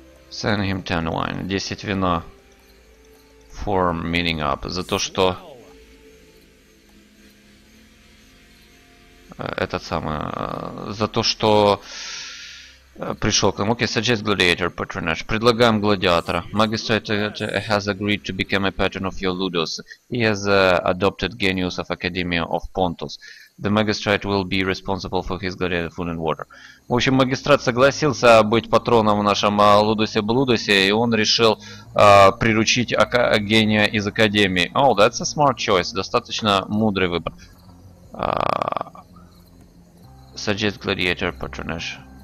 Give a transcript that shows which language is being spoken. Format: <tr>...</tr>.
<en>Send him 10 wine.</en> <ru>10 вина.</ru> <en>For meeting up.</en> <ru>За то, что... Этот самый... За то, что... пришел к нам.</ru> <en>Окей, suggest gladiator patronage.</en> <ru>Предлагаем гладиатора.</ru> <en>Magistrate has agreed to become a patron of your ludus. He has adopted genius of Academia of Pontus. The magistrate will be responsible for his gladiator food and water.</en> <ru>В общем, магистрат согласился быть патроном в нашем Лудусе-Блудусе, и он решил приручить гения из Академии.</ru> <en>Oh, that's a smart choice.</en> <ru>Достаточно мудрый выбор.</ru> <en>Suggest gladiator patronage.</en>